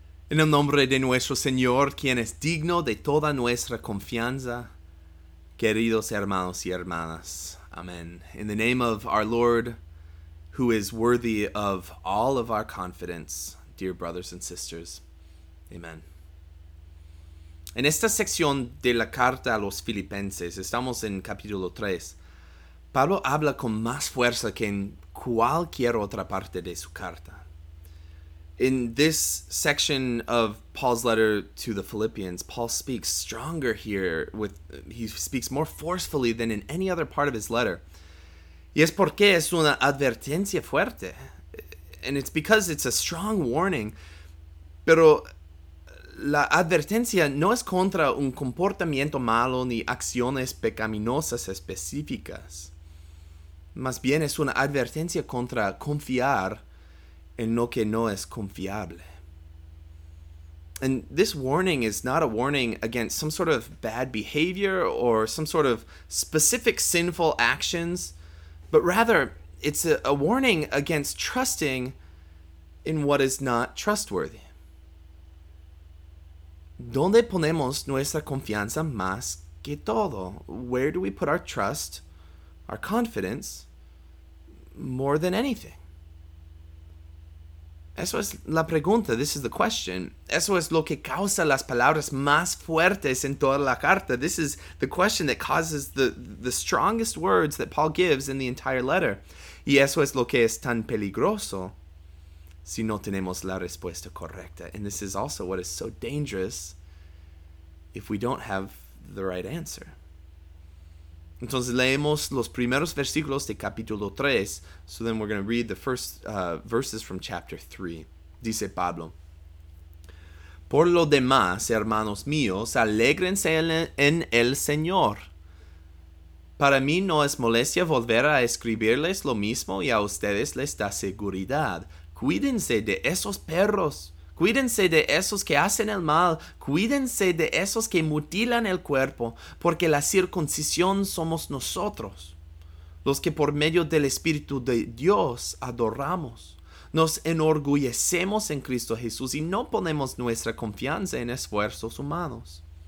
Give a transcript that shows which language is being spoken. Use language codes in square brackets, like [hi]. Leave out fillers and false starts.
[es] En el nombre de nuestro Señor, quien es digno de toda nuestra confianza, queridos hermanos y hermanas. [en] Amen. In the name of our Lord, who is worthy of all of our confidence, dear brothers and sisters. Amen. [es] En esta sección de la carta a los Filipenses, estamos en capítulo 3, Pablo habla con más fuerza que en cualquier otra parte de su carta. [en] In this section of Paul's letter to the Philippians, Paul speaks stronger here. He speaks more forcefully than in any other part of his letter. [es] Y es porque es una advertencia fuerte. [en] And it's because it's a strong warning. [es] Pero la advertencia no es contra un comportamiento malo ni acciones pecaminosas específicas. Más bien es una advertencia contra confiar en lo que no es confiable. [en] And this warning is not a warning against some sort of bad behavior or some sort of specific sinful actions, but rather it's a warning against trusting in what is not trustworthy. [es] ¿Dónde ponemos nuestra confianza más que todo? [en] Where do we put our trust, our confidence, more than anything? [es] Eso es la pregunta, [en] this is the question. [es] Eso es lo que causa las palabras más fuertes en toda la carta. [en] This is the question that causes the strongest words that Paul gives in the entire letter. [es] Y eso es lo que es tan peligroso si no tenemos la respuesta correcta. [en] And this is also what is so dangerous if we don't have the right answer. [es] Entonces leemos los primeros versículos de capítulo 3. [en] So then we're going to read the first verses from chapter 3. [es] Dice Pablo: Por lo demás, hermanos míos, alégrense en el Señor. Para mí no es molestia volver a escribirles lo mismo y a ustedes les da seguridad. Cuídense de esos perros. Cuídense de esos que hacen el mal, cuídense de esos que mutilan el cuerpo, porque la circuncisión somos nosotros, los que por medio del Espíritu de Dios adoramos, nos enorgullecemos en Cristo Jesús y no ponemos nuestra confianza en esfuerzos humanos.